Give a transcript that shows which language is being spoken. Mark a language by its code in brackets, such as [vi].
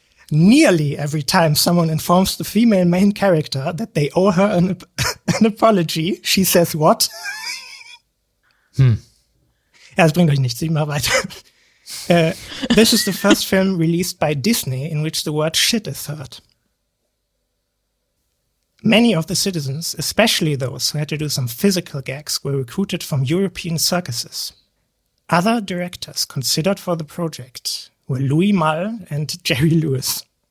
[en] Nearly every time someone informs the female main character that they owe her an apology, she says what? [de] Ja, das bringt euch nichts, sieh mal weiter. [en] This is the first film released by Disney in which the word shit is heard. Many of the citizens, especially those who had to do some physical gags, were recruited from European circuses. Other directors considered for the project were Louis Malle and Jerry Lewis.